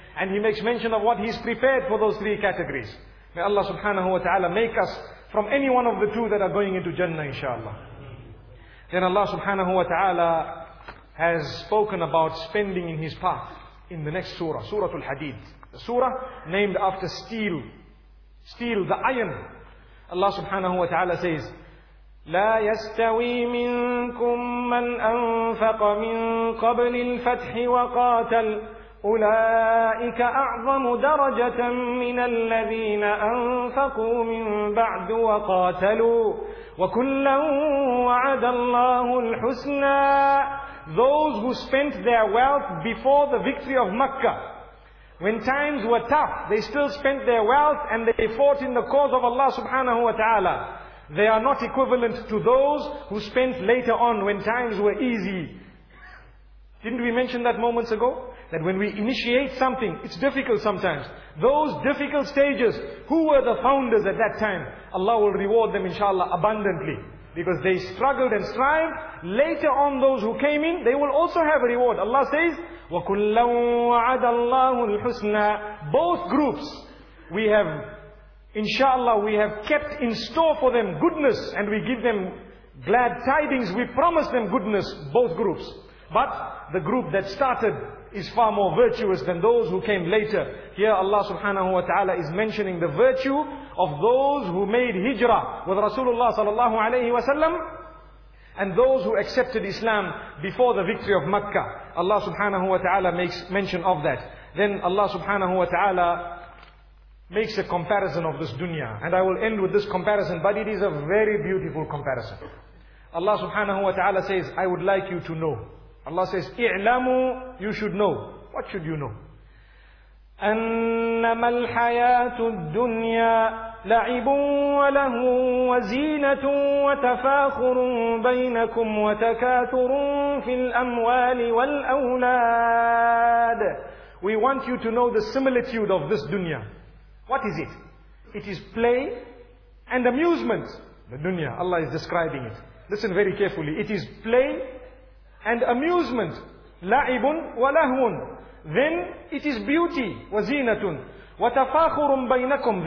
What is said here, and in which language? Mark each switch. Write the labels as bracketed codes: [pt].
[en] And He makes mention of what He's prepared for those three categories. May Allah subhanahu wa ta'ala make us from any one of the two that are going into Jannah inshaAllah. Then Allah subhanahu wa ta'ala has spoken about spending in His path in the next surah, Suratul Hadid. The surah named after steel. Steel, the iron. Allah subhanahu wa ta'ala says, [ar] لا يستوي منكم من أنفق من قبل الفتح وقاتل أولئك أعظم درجة من الذين أنفقوا من بعد وقاتلوا وكلا وعد الله الحسنى. [en] Those who spent their wealth before the victory of Makkah, when times were tough, they still spent their wealth and they fought in the cause of Allah subhanahu wa ta'ala. They are not equivalent to those who spent later on when times were easy. Didn't we mention that moments ago? That when we initiate something, it's difficult sometimes. Those difficult stages, who were the founders at that time? Allah will reward them inshallah abundantly. Because they struggled and strived. Later on those who came in, they will also have a reward. Allah says, [ar] وَكُلَّا وَعَدَ اللَّهُ الْحُسْنَى. [en] Both groups, we have, inshallah, we have kept in store for them goodness. And we give them glad tidings. We promise them goodness, both groups. But the group that started is far more virtuous than those who came later. Here Allah subhanahu wa ta'ala is mentioning the virtue of those who made hijrah with Rasulullah sallallahu alayhi wa sallam and those who accepted Islam before the victory of Makkah. Allah subhanahu wa ta'ala makes mention of that. Then Allah subhanahu wa ta'ala makes a comparison of this dunya. And I will end with this comparison, but it is a very beautiful comparison. Allah subhanahu wa ta'ala says, I would like you to know. Allah says, [ar] اعلموا, [en] you should know. What should you know? [ar] أنما الحياة الدنيا لعب وله وزينة وتفاخر بينكم وتكاثر في الأموال والأولاد. [en] We want you to know the similitude of this dunya. What is it? It is play and amusement. The dunya, Allah is describing it. Listen very carefully. It is play and amusement, [ar] la'ibun wa lahwun. [en] Then it is beauty, [ar] wa zinatun. Wa tafakhurun baynakum.